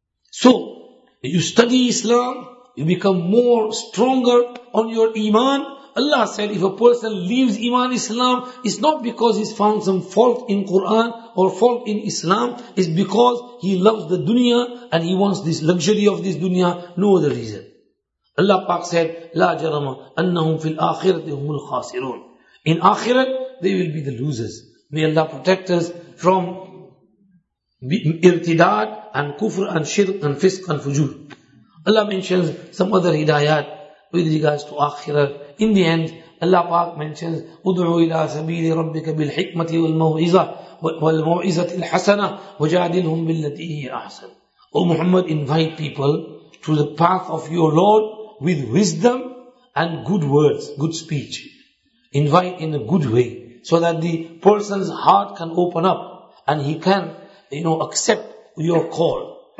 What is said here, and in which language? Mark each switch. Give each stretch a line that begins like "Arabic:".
English: So, you study Islam, you become more stronger on your iman. Allah said, if a person leaves iman Islam, it's not because he's found some fault in Quran or fault in Islam. It's because he loves the dunya and he wants this luxury of this dunya. No other reason. Allah Pak said,
Arabic: لا جرم أنهم في الآخرة هم الخاسرون.
English: In akhirat, they will be the losers. May Allah protect us from irtidad and kufr and shirk and fisk and fujur. Allah mentions some other hidayat with regards to akhirah. In the end, Allah Pak mentions,
Arabic: ادعو الى سبيل ربك بالحكمة والموعظة والموعظة الحسنة وجادلهم بالتي هي أحسن.
English: O Muhammad, invite people to the path of your Lord with wisdom and good words, good speech. Invite in a good way so that the person's heart can open up and he can, you know, accept your call.